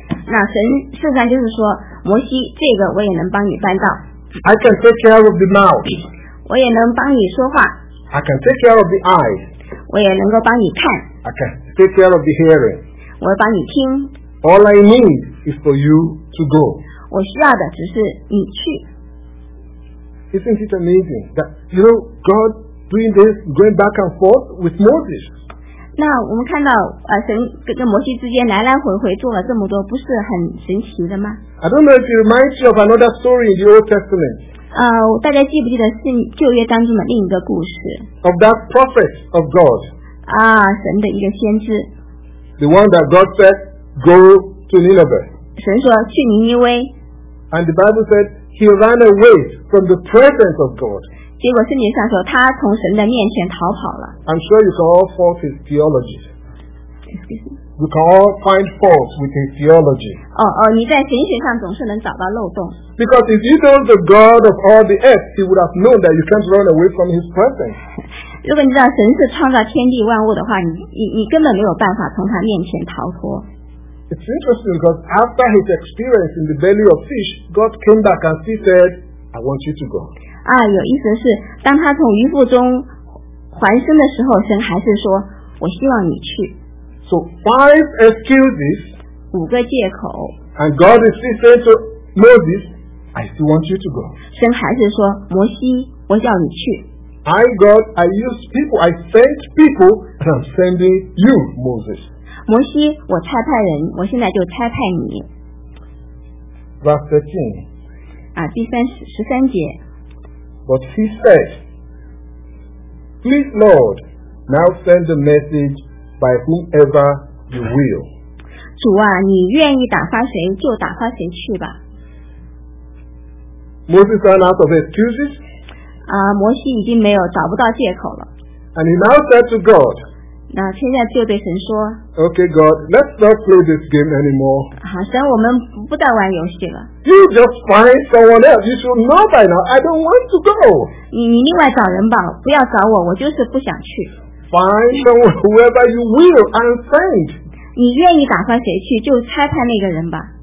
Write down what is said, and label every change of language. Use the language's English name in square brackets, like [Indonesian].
[Chinese] 那神实际上就是说，摩西，这个我也能帮你办到。 [English] I can take care of the mouth. [Chinese] 我也能帮你说话。 [English] I can take care of the eyes. [Chinese] 我也能够帮你看。 [English] I can take care of the hearing. [Chinese] 我帮你听。 [English] All I need is for you to go. [Chinese] 我需要的只是你去。 [English] Isn't it amazing that, you know, God doing this, going back and forth with Moses? [Chinese] 那我们看到神跟摩西之间来来回回做了这么多，不是很神奇的吗？ [English] I don't know if it reminds you of another story in the Old Testament. [Chinese] 大家记不记得是旧约当中的另一个故事？ [English] Of that prophet of God. [Chinese] 神的一个先知。 [English] The one that God said, Go to Nineveh. [Chinese] 神说去尼尼微。 [English] And the Bible said he ran away from the presence of God. [Chinese] 结果圣经上说他从神的面前逃跑了。 [English] I'm sure you can all fault his theology. You can all find fault with his theology. [Chinese] 你在神学上总是能找到漏洞。 [English] Because if you know the God of all the earth, he would have known that you can't run away from his presence. [Chinese] 如果你知道神是创造天地万物的话，你根本没有办法从他面前逃脱。 [English] It's interesting because after his experience in the belly of fish, God came back and he said, I want you to go. [Chinese] 有意思是当他从鱼腹中还生的时候，神还是说我希望你去。 [English] So 5 excuses, [Chinese] 五个借口, [English] and God is still saying to Moses, I still want you to go. [Chinese] 神还是说摩西我叫你去。 [English] I God, I used people, I sent people, and I'm sending you, Moses. [Chinese] 摩西，我差派人，我现在就差派你。 [English] Verse 13. [Chinese] 第三十三节。 [English] But he said, Please, Lord, now send a message by whomever you will. [Chinese] 主啊，你愿意打发谁就打发谁去吧。 [English] Moses ran out of excuses. [Chinese] 摩西已经没有找不到借口了。 [English] And he now said to God. [Chinese] 那现在就对神说 [English] Okay God, let's not play this game anymore. [Chinese] 好，神，我们不再玩游戏了。 [English] You just find someone else. You should know by now. I don't want to go. [Chinese] 你另外找人吧，不要找我，我就是不想去。 [English] Find someone whoever you will and send. [Chinese] 你愿意打发谁去，就差派那个人吧。